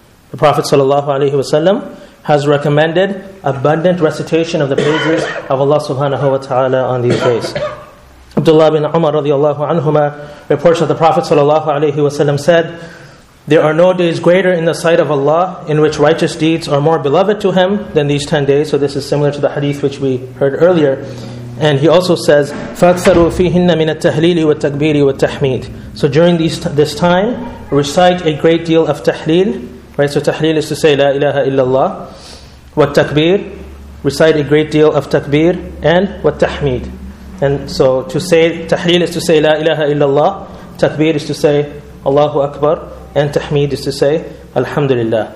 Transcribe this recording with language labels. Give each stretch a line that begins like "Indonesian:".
English: The Prophet ﷺ has recommended abundant recitation of the praises of Allah subhanahu wa ta'ala on these days. Abdullah bin Umar radiallahu anhuma reports that the Prophet ﷺ said, "There are no days greater in the sight of Allah in which righteous deeds are more beloved to Him than these 10 days." So this is similar to the hadith which we heard earlier. And he also says,
Arabic: فَأَكْثَرُوا فِيهِنَّ مِنَ التَّحْلِيلِ وَالتَّكْبِيرِ وَالتَّحْمِيدِ.
English: So during this time, recite a great deal of tahleel. Right? So tahleel is to say,
Arabic: لا إله إلا الله. وَالتَّكْبِيرِ.
English: Recite a great deal of takbir and وَالتَّحْمِيدِ. And so to say, tahleel is to say,
Arabic: لا إله إلا الله.
English: Takbir is to say, Allahu Akbar. And tahmid is to say, Alhamdulillah.